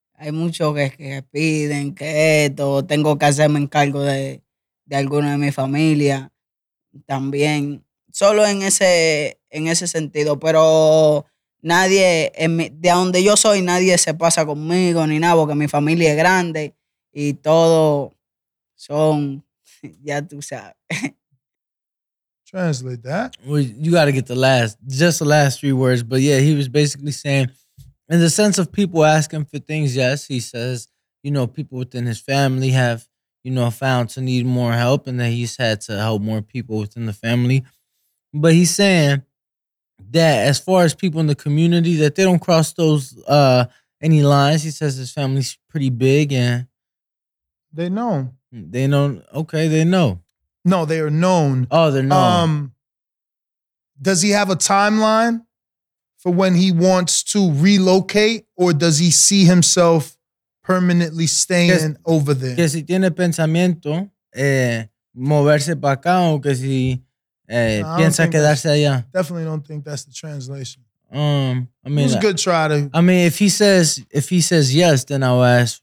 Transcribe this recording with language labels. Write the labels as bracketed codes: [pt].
[es] Hay muchos que piden que esto, tengo que hacerme encargo de alguno de mi familia también, solo en ese sentido, pero nadie, de donde yo soy, nadie se pasa conmigo ni nada, porque mi familia es grande y todos son, ya tú sabes. [en] Translate that. Well, you got to get the last three words, but yeah, he was basically saying, in the sense of people asking for things, yes, he says, you know, people within his family have, you know, found to need more help and that he's had to help more people within the family. But he's saying that as far as people in the community, that they don't cross those any lines. He says his family's pretty big and they know. They know. Okay, they know. No, they are known. Oh, they're known. Does he have a timeline for when he wants to relocate or does he see himself permanently staying over there? [es] Que si tiene pensamiento moverse para acá o que si piensa quedarse allá. [en] Definitely don't think that's the translation. I mean, it was a good try to. I mean, if he says yes, then I'll ask.